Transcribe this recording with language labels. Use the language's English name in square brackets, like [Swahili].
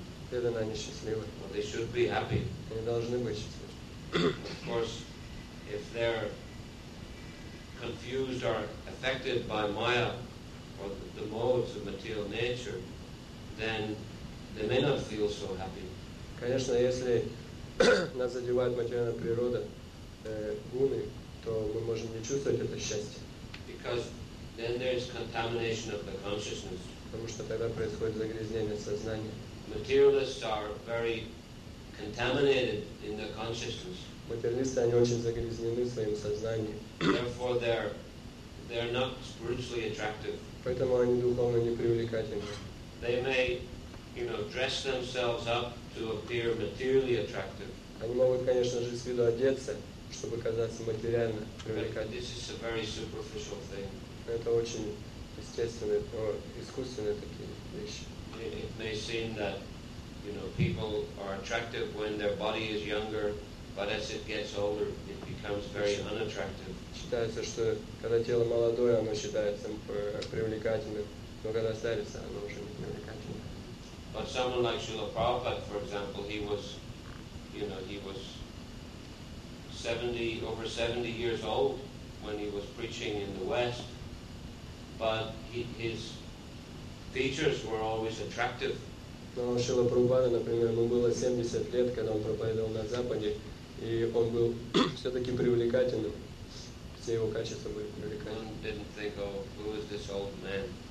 [Russian] Преданные, они счастливы. [English] Well, they should be happy. [Russian] Они должны быть счастливы. [English] Of course, if they're confused or affected by Maya or the modes of material nature, then they may not feel so happy. [Russian] Конечно, если нас задевает материальная природа, гуны, то мы можем не чувствовать это счастье. [English] Because then there is contamination of the consciousness. [Russian] Потому что тогда происходит загрязнение сознания. [English] Materialists are very contaminated in their consciousness. [Russian] Материалисты, они очень загрязнены своим сознанием. [English] Therefore, they're not spiritually attractive. [Russian] Поэтому они духовно не привлекательны. [English] They may, you know, dress themselves up to appear materially attractive. [Russian] Они могут, конечно же, с виду одеться, чтобы казаться материально привлекательными. [English] This is a very superficial thing. [Russian] Это очень естественные, искусственные такие вещи. [English] It may seem that, you know, people are attractive when their body is younger, but as it gets older, it becomes very unattractive. [Russian] Считается, что когда тело молодое, оно считается привлекательным, но когда старится, оно уже не привлекательно. [English] But someone like Srila Prabhupada, for example, he was, you know, he was 70, over 70 years old when he was preaching in the West, but his features were always attractive. [Russian] Но Шрила Прабхупада, например, ему было 70 лет, когда он проповедовал на Западе, и он был все-таки привлекательным. Все его качества были привлекательными. [English] One didn't think, oh, who is this old man?